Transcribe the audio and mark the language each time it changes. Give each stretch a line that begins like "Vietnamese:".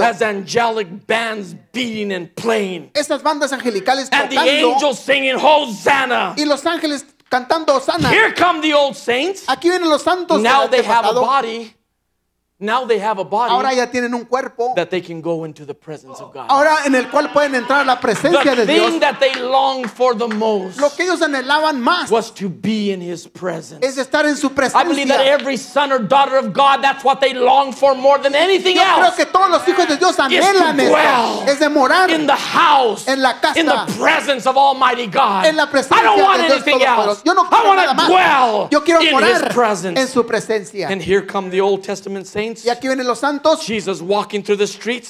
English: As angelic bands beating and playing.
Spanish: Esas bandas angelicales
English: and The angels singing Hosanna.
Spanish: Y los ángeles cantando Hosanna.
English: Here come the old saints.
Spanish: Aquí vienen los santos.
English: Now they have a body. Now they have a body.
Spanish: Ahora ya tienen un cuerpo.
English: That they can go into the presence of God.
Spanish: Ahora en el cual pueden entrar a la presencia
English: the thing
Spanish: Dios.
English: That they long for the most.
Spanish: Lo que ellos anhelaban más.
English: Was to be in his presence.
Spanish: Es estar en su presencia.
English: I believe that every son or daughter of God, that's what they long for more than anything
Spanish: yo
English: else.
Spanish: Creo que todos los hijos de Dios anhelan
English: is to dwell
Spanish: es de morar
English: in the house.
Spanish: En la casa.
English: In the presence of Almighty God.
Spanish: En la presencia
English: I don't
Spanish: de
English: want
Spanish: Dios
English: anything else.
Spanish: Yo no quiero
English: I want
Spanish: nada
English: to
Spanish: más.
English: Dwell
Spanish: yo quiero
English: in
Spanish: morar
English: his presence.
Spanish: En su presencia.
English: And here come the Old Testament saints.
Spanish: Y aquí vienen los santos.
English: Jesus walking through the streets.